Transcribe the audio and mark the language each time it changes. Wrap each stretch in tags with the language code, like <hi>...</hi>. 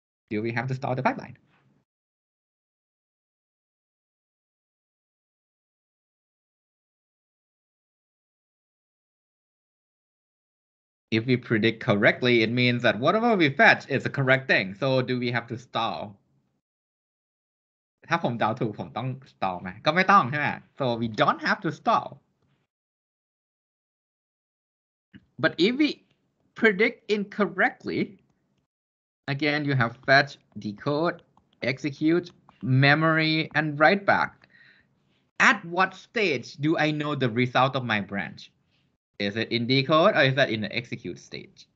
<en>Do we have to stall the pipeline? If we predict correctly, it means that whatever we fetch is the correct thing. So do we have to stall?</en> <th>ถ้าผมเดาถูกผมต้องสตอลไหมก็ไม่ต้องใช่ไหม</th> <en>So we don't have to stall. But if we predict incorrectly, again, you have fetch, decode, execute, memory, and write back. At what stage do I know the result of my branch? Is it in decode or is that in the execute stage?</en>